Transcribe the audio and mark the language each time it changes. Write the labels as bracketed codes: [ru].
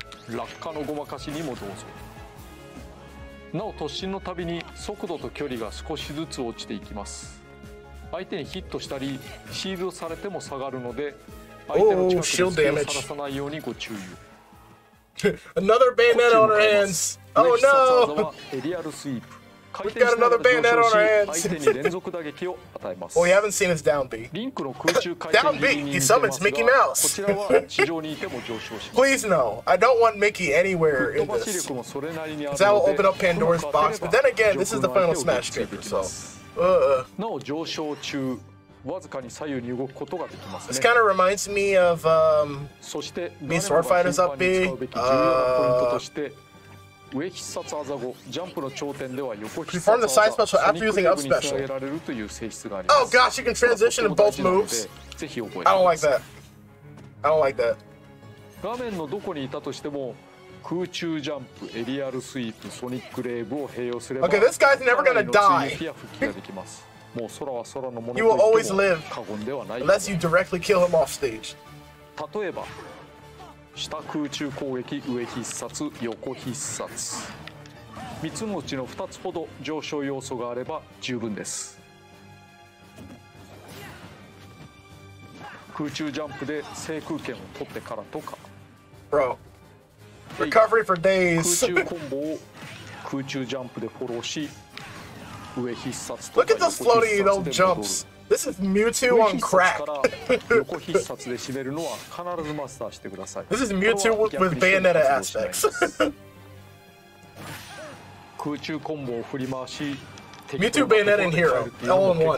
[ja] 落下のごまかしにもどうぞ。なお突進のたびに速度と距離が少しずつ落ちていきます。相手にヒットしたりシールドされても下がるので相手の近くに隙をさらさないようにご注意。 [en] Another bayonet on our hands. Oh no! [ja] エリアルスイープ。 [en] We've got another bayonet on our hands. [ja] 相手に連続打撃を与えます。 [en] Well, you haven't seen his down B. [ja] リンクの空中回転ギリギリに似てますが、こちらは地上にいても上昇します。 [en] Please no. I don't want Mickey anywhere in this. [ja] 飛ばし力もそれなりにあるので [en] 、that will open up Pandora's box. But then again, this is the final Smash paper, so. [ja] なお上昇中、わずかに左右に動くことができますね。 [en] This kind of reminds me of [ja] そして、 [en] Me Sword Fighters up B. [ja] 重要なポイントとして。上必殺技後、ジャンプの頂点では横必殺技、ソニックウェーブに繋げられるという性質があります。 [en] Oh gosh, you can transition in both moves. [ja] ぜひ覚えてください。 [en] I don't like that. [ja] 画面のどこにいたとしても、空中ジャンプ、エリアルスイープ、ソニックレーブを併用すれば、 [en] Okay, this guy's never gonna die. [ja] 次の復帰ができます。もう空は空のものと言っても過言ではない。 [en] Unless you directly kill him off stage. [ja] 例えば、下空中攻撃、上必殺、横必殺、三つのうちの二つほど上昇要素があれば十分です。空中ジャンプで制空権を取ってからとか、 [en] Bro. Recovery for days. [ja] 空中コンボを空中ジャンプでフォローし、上必殺とか横必殺で戻る。 [en] Look at those floaty little jumps. This is Mewtwo on crack. [ja] 横必殺で締めるのは必ずマスターしてください。 [en] This is Mewtwo with Bayonetta aspects. [ja] 空中コンボを振り回し、 [en] Mewtwo Bayonetta and Hero, all in one.